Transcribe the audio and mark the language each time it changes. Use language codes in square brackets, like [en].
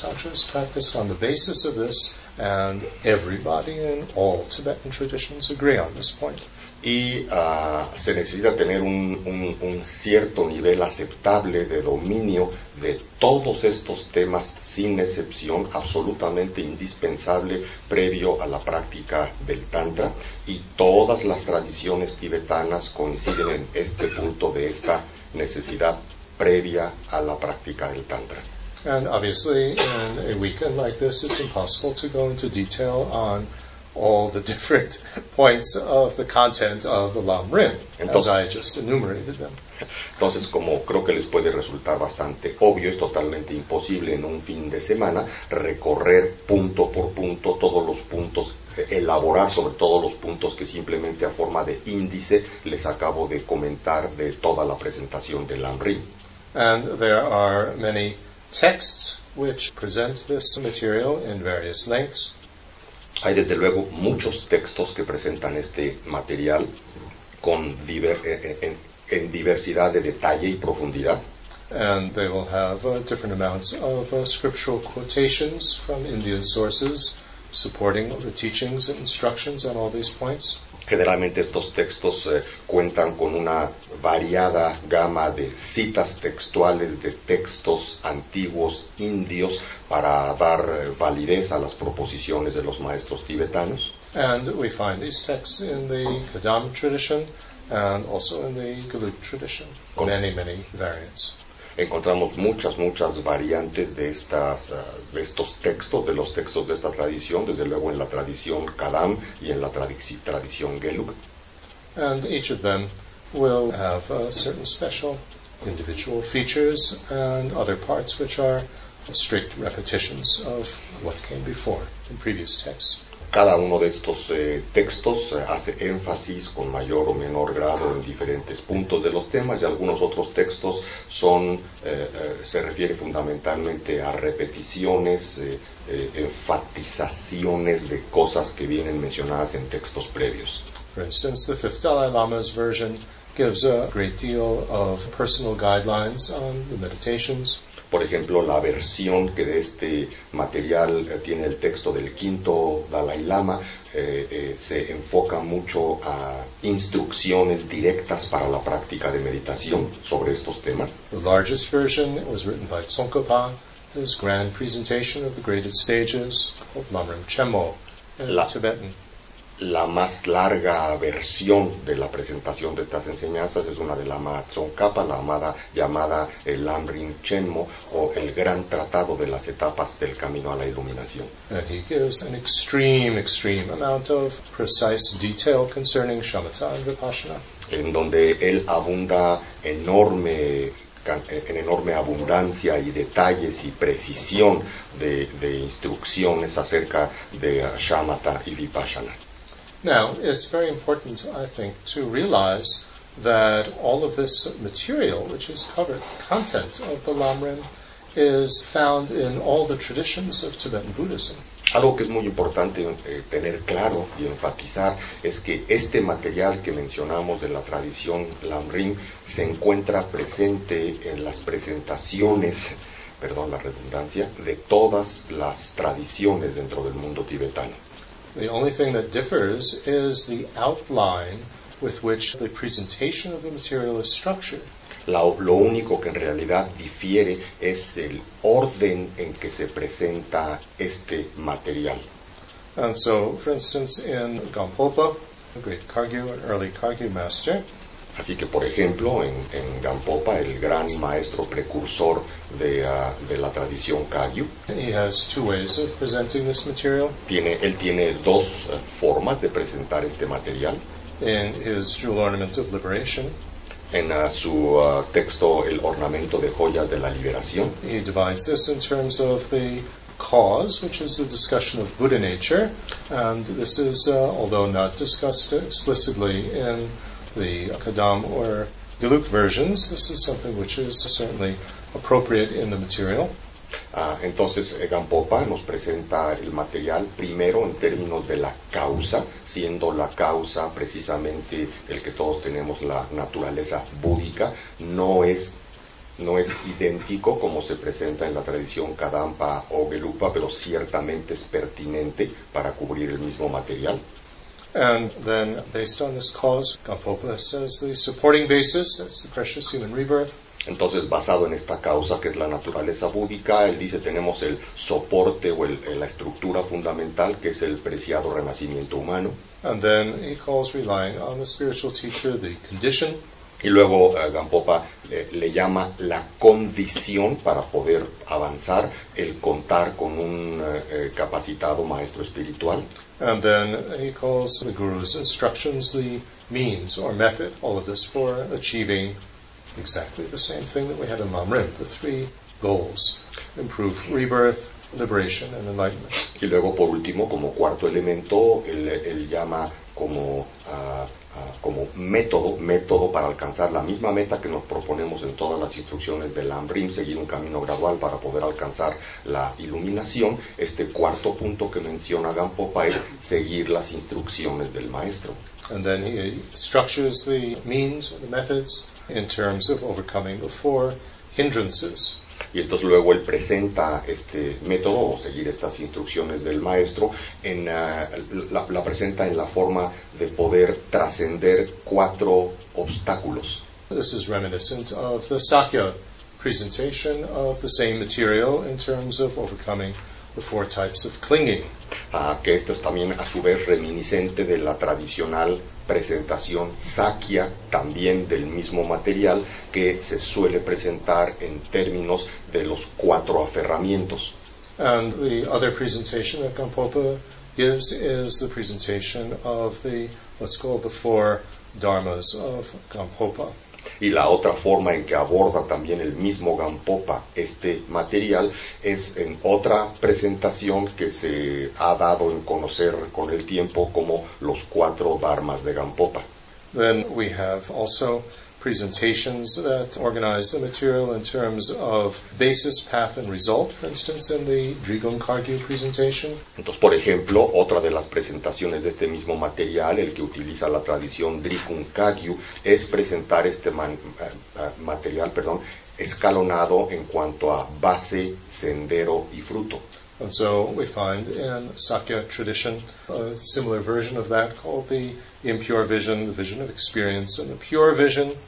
[en] Tantra is practiced on the basis of this, and everybody in all Tibetan traditions agree on this point. [es] Y se necesita tener un cierto nivel aceptable de dominio de todos estos temas sin excepción, absolutamente indispensable previo a la práctica del Tantra. Y todas las tradiciones tibetanas coinciden en este punto de esta necesidad previa a la práctica del Tantra. [en] And obviously, in a weekend like this, it's impossible to go into detail on all the different points of the content of the lam-rim, [es] entonces, [en] as I just enumerated them. [es] Entonces, como creo que les puede resultar bastante obvio, es totalmente imposible en un fin de semana recorrer punto por punto todos los puntos, elaborar sobre todos los puntos que simplemente a forma de índice les acabo de comentar de toda la presentación del lam-rim. [en] And there are many texts which present this material in various lengths. [es] Hay desde luego muchos textos que presentan este material con en diversidad de detalle y profundidad. [en] And they will have different amounts of scriptural quotations from Indian sources supporting the teachings and instructions on all these points. [es] Generalmente estos textos cuentan con una variada gama de citas textuales de textos antiguos indios para dar validez a las proposiciones de los maestros tibetanos. [en] And we find these texts in the Kadam tradition and also in the Gelug tradition, many, many variants. [es] Encontramos muchas variantes de estos textos, de los textos de esta tradición, desde luego en la tradición Kadam y en la tradición Gelug. [en] And each of them will have certain special individual features and other parts which are strict repetitions of what came before in previous texts. [es] Cada uno de estos textos hace énfasis con mayor o menor grado en diferentes puntos de los temas, y algunos otros textos se refiere fundamentalmente a repeticiones, enfatizaciones de cosas que vienen mencionadas en textos previos. [en] For instance, the fifth Dalai Lama's version gives a great deal of personal guidelines on the meditations. [es] Por ejemplo, la versión que de este material tiene el texto del quinto Dalai Lama se enfoca mucho a instrucciones directas para la práctica de meditación sobre estos temas. [en] The largest version was written by Tsongkhapa, his grand presentation of the greatest stages called Lam-rim Chemo in Tibetan. [es] la más larga versión de la presentación de estas enseñanzas es una de Lama Tsongkhapa, llamada el lam-rim chenmo, o el gran tratado de las etapas del camino a la iluminación. [en] And he gives an extreme amount of precise detail concerning shamatha and vipassana, [es] en donde él abunda en enorme abundancia y detalles y precisión de instrucciones acerca de shamatha y vipassana. [en] Now, it's very important, I think, to realize that all of this material, which is covered, the content of the lam-rim, is found in all the traditions of Tibetan Buddhism. [es] Algo que es muy importante tener claro y enfatizar es que este material que mencionamos de la tradición lam-rim se encuentra presente en las presentaciones, perdón la redundancia, de todas las tradiciones dentro del mundo tibetano. [en] The only thing that differs is the outline with which the presentation of the material is structured. [es] Lo único que en realidad difiere es el orden en que se presenta este material. [en] And so, for instance, in Gampopa, a great Kagyu, an early Kagyu master. [es] Así que, por ejemplo, en Gampopa, el gran maestro precursor de la tradición Kagyu. [en] He has two ways of presenting this material. [es] Él tiene dos formas de presentar este material. [en] In his jewel ornament of liberation. [es] En su texto, el ornamento de joyas de la liberación. [en] He divides this in terms of the cause, which is the discussion of Buddha nature. And this is, although not discussed explicitly in the Kadam or Diluc versions, this is something which is certainly appropriate in the material. [es] Entonces, Gampopa nos presenta el material primero en términos de la causa, siendo la causa precisamente el que todos tenemos la naturaleza búdica, no es idéntico como se presenta en la tradición Kadampa o Gelupa, pero ciertamente es pertinente para cubrir el mismo material. [en] And then, based on this cause, Gampopa says the supporting basis, that's the precious human rebirth. [es] Entonces, basado en esta causa, que es la naturaleza búdica, él dice, tenemos el soporte o la estructura fundamental, que es el preciado renacimiento humano. [en] And then, he calls relying on the spiritual teacher, the condition. [es] Y luego, Gampopa le llama la condición para poder avanzar, el contar con un capacitado maestro espiritual. [en] And then he calls the guru's instructions the means or method, all of this for achieving exactly the same thing that we had in lam-rim, the three goals: improve rebirth, liberation, and enlightenment. [es] Y luego, por último, como cuarto elemento, él llama como como método para alcanzar la misma meta que nos proponemos en todas las instrucciones de lam-rim, seguir un camino gradual para poder alcanzar la iluminación. Este cuarto punto que menciona Gampopa es seguir las instrucciones del maestro. [en] And then he structures the means, the methods, in terms of overcoming the four hindrances. [es] Y entonces luego él presenta este método, o seguir estas instrucciones del maestro, la presenta en la forma de poder trascender cuatro obstáculos. [en] This is reminiscent of the Sakya presentation of the same material in terms of overcoming the four types of clinging. [es] Que esto es también a su vez reminiscente de la tradicional presentación Sakya, también del mismo material, que se suele presentar en términos de los cuatro aferramientos. [en] And the other presentation that Gampopa gives is the presentation of the, what's called the four dharmas of Gampopa. [es] Y la otra forma en que aborda también el mismo Gampopa este material es en otra presentación que se ha dado en conocer con el tiempo como los cuatro dharmas de Gampopa. [en] Then we have also presentations that organize the material in terms of basis, path, and result, for instance, in the Drigon Kagyu presentation. [es] Entonces, por ejemplo, otra de las presentaciones de este mismo material, el que utiliza la tradición Drigon Kagyu, es presentar este material, escalonado en cuanto a base, sendero y fruto. [en] And so we find in Sakya tradition a similar version of that called the impure vision, the vision of experience, and the pure vision.